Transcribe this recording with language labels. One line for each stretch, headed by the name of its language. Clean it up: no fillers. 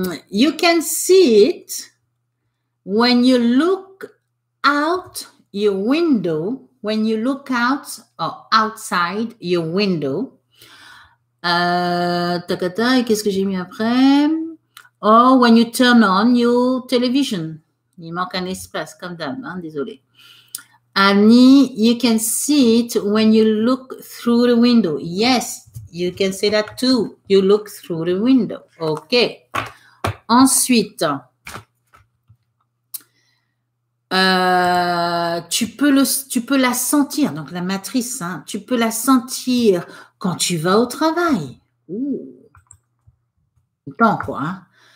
English: You can see it when you look out your window. When you look out or outside your window. Takata,
French: et qu'est-ce que j'ai mis après?
English: Oh, when you turn on your television.
French: Il manque un espace, comme d'hab, hein, désolé.
English: Annie, you can see it when you look through the window. Yes, you can say that too. You look through the window. OK.
French: Ensuite, tu peux la sentir, donc la matrice, hein, tu peux la sentir. Quand tu vas au travail, temps quoi, hein?